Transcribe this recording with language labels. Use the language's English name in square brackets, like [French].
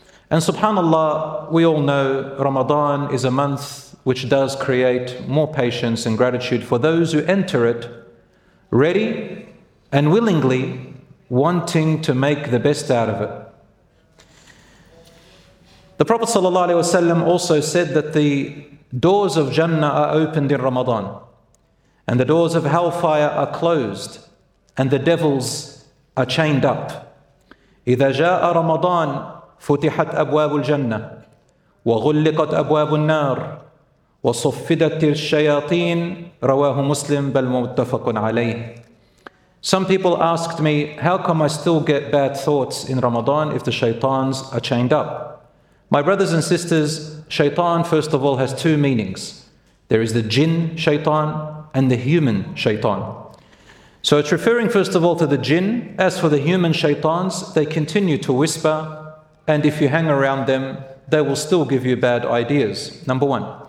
[English] And subhanAllah, we all know Ramadan is a month which does create more patience and gratitude for those who enter it ready and willingly, wanting to make the best out of it. The Prophet sallallahu alaihi wasallam also said that the doors of Jannah are opened in Ramadan, and the doors of hellfire are closed, and the devils are chained up. [Arabic] إذا جاء رمضان فتحت أبواب الجنة وغلقت أبواب النار وصفدت الشياطين رواه مسلم بل متفق عليه. [English] Some people asked me, how come I still get bad thoughts in Ramadan if the shaitans are chained up? My brothers and sisters, shaitan, first of all, has two meanings. There is the jinn shaitan and the human shaitan. So it's referring, first of all, to the jinn. As for the human shaitans, they continue to whisper, and if you hang around them, they will still give you bad ideas, number one.